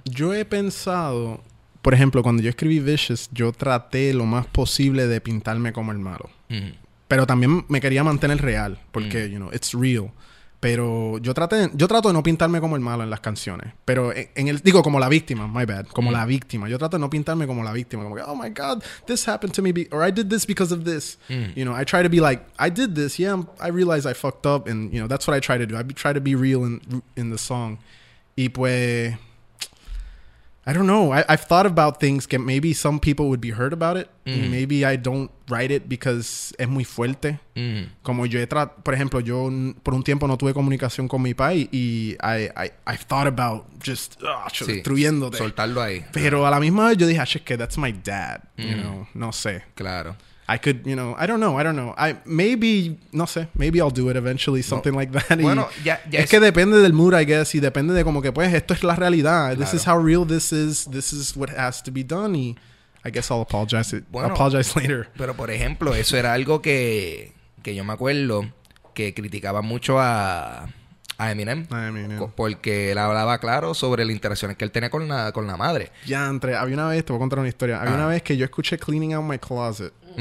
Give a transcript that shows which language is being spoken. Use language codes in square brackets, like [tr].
[es] Yo he pensado, por ejemplo, cuando yo escribí Vicious, yo traté lo más posible de pintarme como el malo. Pero también me quería mantener real porque, [en] you know, it's real. [es] Pero yo trato de no pintarme como el malo en las canciones. Pero digo, como la víctima, [en] my bad. [es] Como la víctima. Yo trato de no pintarme como la víctima. [en] Como que, oh my God, this happened to me. Or I did this because of this. You know, I try to be like, I did this. Yeah, I realized I fucked up. And, you know, that's what I try to do. I try to be real in the song. [es] Y pues, [en] I don't know. I've thought about things that maybe some people would be hurt about it. Maybe I don't write it because [es] es muy fuerte. Como yo he por ejemplo, yo por un tiempo no tuve comunicación con mi pai y [en] I've thought about just [es] destruyéndote. Soltarlo ahí. Pero a la misma vez yo dije, es que [en] that's my dad. You know, [es] no sé. Claro. [en] I could, you know, I don't know. Maybe I'll do it eventually, something like that. [es] Bueno, es que depende del mood, [en] I guess, [es] y depende de como que, pues, esto es la realidad. Claro. [en] This is how real this is what has to be done, y I guess I'll apologize, apologize later. [es] Pero, por ejemplo, eso era algo que yo me acuerdo que criticaba mucho a Eminem. Porque él hablaba claro sobre las interacciones que él tenía con la madre. Ya, entre, había una vez, te voy a contar una historia, había una vez que yo escuché Cleaning Out My Closet.